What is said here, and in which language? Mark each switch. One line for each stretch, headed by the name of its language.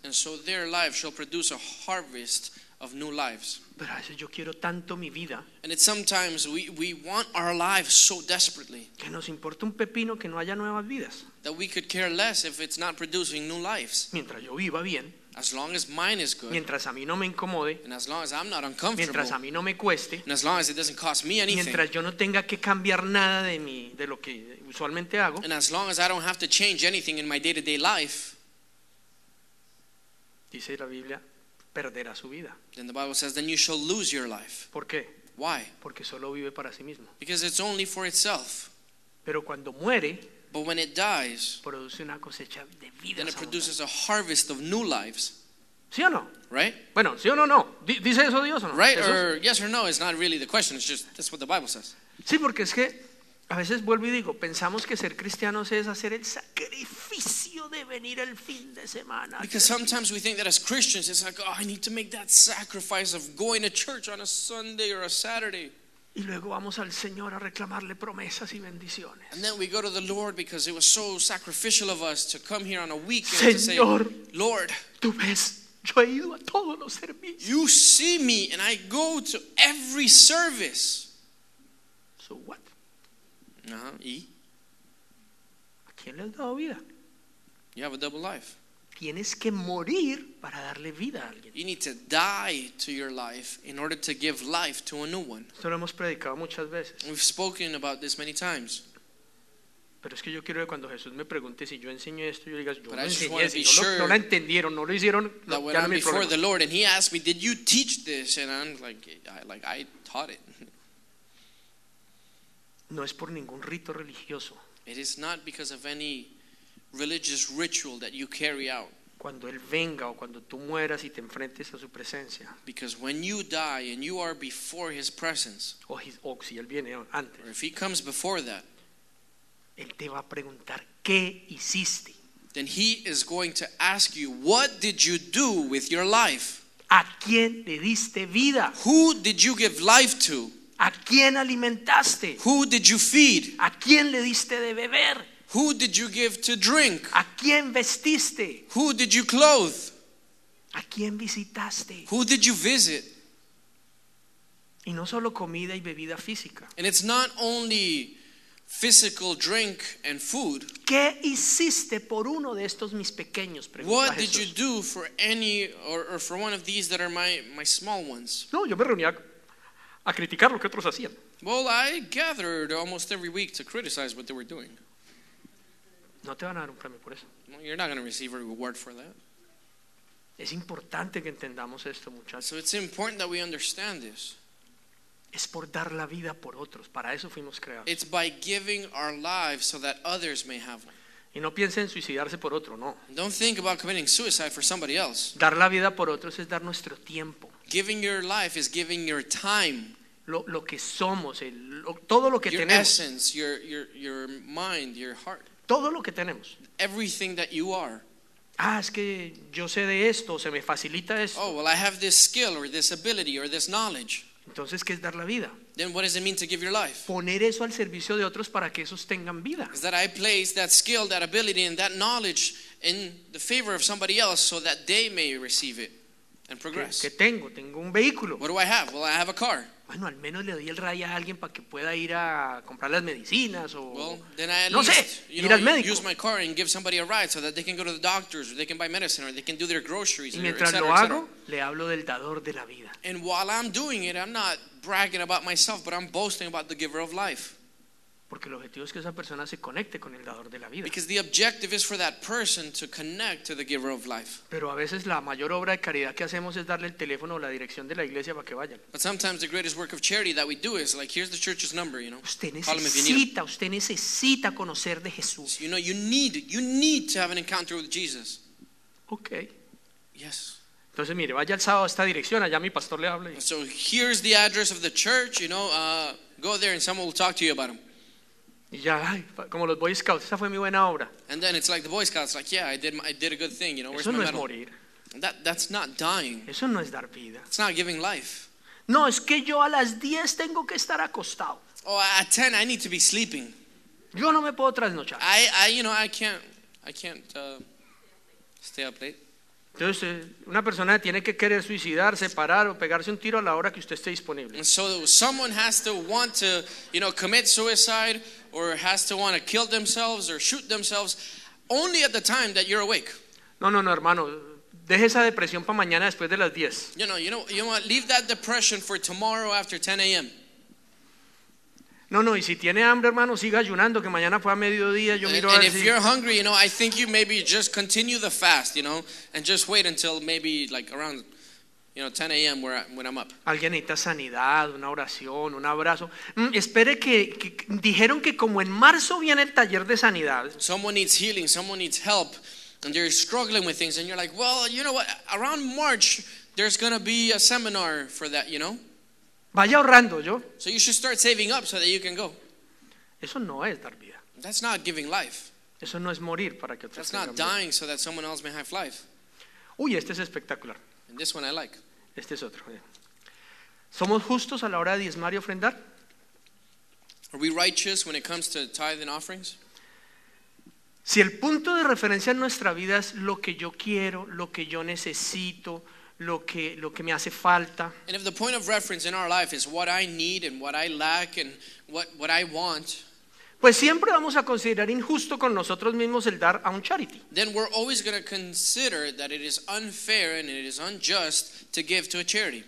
English: And so their life shall produce a harvest of new lives.
Spanish: Pero a veces yo quiero tanto mi vida.
English: And it's sometimes we want our lives so desperately.
Spanish: Que nos importa un pepino que no haya nuevas vidas.
English: That we could care less if it's not producing new lives.
Spanish: Mientras yo viva bien.
English: As long as mine is good.
Spanish: Mientras a mí no me incomode.
English: And as long as I'm not uncomfortable.
Spanish: Mientras a mí no me cueste.
English: And as long as it doesn't cost me anything.
Spanish: Mientras yo no tenga que cambiar nada de mí, de lo que usualmente hago.
English: And as long as I don't have to change anything in my day-to-day life.
Spanish: Dice la Biblia, perderá su vida.
English: Then the Bible says, then you shall lose your life.
Spanish: ¿Por qué?
English: Why?
Spanish: Porque solo vive para sí mismo.
English: Because it's only for itself.
Spanish: Pero cuando muere.
English: But when it dies,
Spanish: produce una cosecha de vidas,
English: then it produces a harvest of new lives.
Spanish: ¿Sí o no?
English: Right?
Spanish: Bueno, ¿sí o no? No. ¿Dice eso Dios o no?
English: Right?
Spanish: ¿Eso?
English: Or yes or no is not really the question. It's just that's what the Bible says.
Spanish: Sí, porque es que a veces vuelvo y digo, pensamos que ser cristianos es hacer el sacrificio de venir el fin de semana.
English: Because sometimes we think that as Christians, it's like, oh, I need to make that sacrifice of going to church on a Sunday or a Saturday.
Spanish: Y luego vamos al Señor a reclamarle promesas y bendiciones.
English: And then we go to the Lord because it was so sacrificial of us to come here on a weekend.
Spanish: Señor,
English: to say, Lord,
Spanish: tú ves, yo he ido a todos los servicios.
English: You see me and I go to every service. So what?
Spanish: Uh-huh. ¿Y? ¿A quién le has dado vida?
English: You have a double life.
Spanish: Tienes que morir para darle vida a alguien.
English: You need to die to your life in order to give life to a new one.
Spanish: Esto lo hemos predicado muchas veces.
English: We've spoken about this many times.
Spanish: Pero es que yo quiero que cuando Jesús me pregunte si yo enseño esto, yo diga, yo enseñé, si no, sure no lo entendieron, no lo hicieron,
English: that when
Spanish: ya
English: I'm
Spanish: no
English: before
Spanish: problema.
English: The Lord and he asked me, did you teach this? And I'm like, I taught it.
Spanish: No es por ningún rito religioso.
English: It is not because of any religious ritual that you carry out.
Spanish: Cuando él venga o cuando tú mueras y te enfrentes a su presencia.
English: Because when you die and you are before his presence.
Spanish: O si él viene antes.
English: Or if he comes before that.
Spanish: Él te va a preguntar qué hiciste.
English: Then he is going to ask you, what did you do with your life?
Spanish: ¿A quién le diste vida?
English: Who did you give life to?
Spanish: ¿A quién alimentaste?
English: Who did you feed?
Spanish: ¿A quién le diste de beber?
English: Who did you give to drink?
Spanish: ¿A quién vestiste?
English: Who did you clothe?
Spanish: ¿A quién visitaste?
English: Who did you visit?
Spanish: Y no solo comida y bebida física.
English: And it's not only physical drink and food.
Spanish: ¿Qué hiciste por uno de estos mis pequeños?
English: What did you do for any or for one of these that are my small ones?
Spanish: No, yo me reunía a criticar lo que otros hacían.
English: Well, I gathered almost every week to criticize what they were doing.
Spanish: No te van a dar un premio por eso.
English: Well, you're not going to receive a reward for that.
Spanish: Es importante que entendamos esto, muchachos.
English: So it's important that we understand this.
Spanish: Es por dar la vida por otros. Para eso fuimos creados.
English: It's by giving our lives so that others may have one.
Spanish: Y no piensen en suicidarse por otro, no.
English: Don't think about committing suicide for somebody else.
Spanish: Dar la vida por otros es dar nuestro tiempo.
English: Giving your life is giving your time.
Spanish: Lo que somos, todo lo que
English: your
Spanish: tenemos.
English: Your essence, your mind, your heart.
Spanish: Todo lo que tenemos.
English: Everything that you are.
Spanish: Ah, es que yo sé de esto, se me facilita esto.
English: Oh, well, I have this skill or this ability or this knowledge.
Spanish: Entonces, ¿qué es dar la vida?
English: Then what does it mean to give your life?
Spanish: Poner eso al servicio de otros para que esos tengan vida.
English: Is that I place that skill, that ability, and that knowledge in the favor of somebody else so that they may receive it and progress.
Spanish: ¿Qué tengo? Tengo un vehículo.
English: What do I have? Well, I have a car.
Spanish: Bueno, al menos le doy el ray a alguien para que pueda ir a comprar las medicinas o
English: well, then I
Spanish: no
English: least,
Spanish: sé,
English: you
Spanish: ir
English: know,
Spanish: al médico.
English: Use my car and give somebody a ride so that they can go to the doctors or they can buy medicine or they can do their groceries.
Spanish: Y mientras
English: or et cetera,
Spanish: lo hago, le hablo del dador de la vida.
English: And while I'm doing it, I'm not bragging about myself, but I'm boasting about the giver of life.
Spanish: Porque el objetivo es que esa persona se conecte con el dador de la vida.
English: Because the objective is for that person to connect to the giver of life.
Spanish: Pero a veces la mayor obra de caridad que hacemos es darle el teléfono o la dirección de la iglesia para que vayan.
English: But sometimes the greatest work of charity that we do is like, here's the church's number, you know.
Spanish: Usted necesita conocer de Jesús.
English: You know, you need to have an encounter with Jesus. Okay. Yes.
Spanish: Entonces mire, vaya el sábado a esta dirección, allá mi pastor le habla.
English: So here's the address of the church, you know, go there and someone will talk to you about him.
Spanish: Ya, como los Boy Scouts, esa fue mi buena obra.
English: And then it's like the Boy Scouts, like, yeah, I did a good thing, you know.
Spanish: Eso no es morir.
English: That's not dying.
Spanish: Eso no es dar vida.
English: It's not giving life.
Spanish: No, es que yo a las 10 tengo que estar acostado.
English: Oh, at 10 I need to be sleeping.
Spanish: Yo no me puedo trasnochar.
English: I can't stay up late.
Spanish: Entonces, una persona tiene que querer suicidarse, parar o pegarse un tiro a la hora que usted esté disponible.
English: And so someone has to want to, you know, commit suicide. Or has to want to kill themselves or shoot themselves only at the time that you're awake.
Spanish: No, hermano. Deje esa depresión para mañana después de las 10.
English: You know what? Leave that depression for tomorrow after 10 a.m.
Spanish: No, y si tiene hambre, hermano, siga ayunando, que mañana fue a mediodía, yo miro
English: and
Spanish: a ver
English: if
Spanish: si...
English: you're hungry, you know, I think you maybe just continue the fast, you know, and just wait until maybe like around... You know, 10 a.m. when I'm up.
Spanish: Alguien necesita sanidad, una oración, un abrazo. Espere que dijeron que como en marzo viene el taller de sanidad.
English: Someone needs healing, someone needs help, and they're struggling with things, and you're like, well, you know what? Around March, there's going to be a seminar for that, you know?
Spanish: Vaya ahorrando yo.
English: So you should start saving up so that you can go.
Spanish: Eso no es dar vida.
English: That's not giving life.
Spanish: Eso no es morir para que otros.
English: That's not dying so that someone else may have life.
Spanish: Uy, este es espectacular.
English: And this one I like.
Spanish: Este es otro. ¿Somos justos a la hora de diezmar y ofrendar?
English: Are we righteous when it comes to tithe and offerings?
Spanish: Si el punto de referencia en nuestra vida es lo que yo quiero, lo que yo necesito, lo que me hace falta.
English: And if the point of reference in our life is what I need and what I lack and what I want.
Spanish: Pues siempre vamos a considerar injusto con nosotros mismos el dar a un charity.
English: Then we're always going to consider that it is unfair and it is unjust to give to a charity.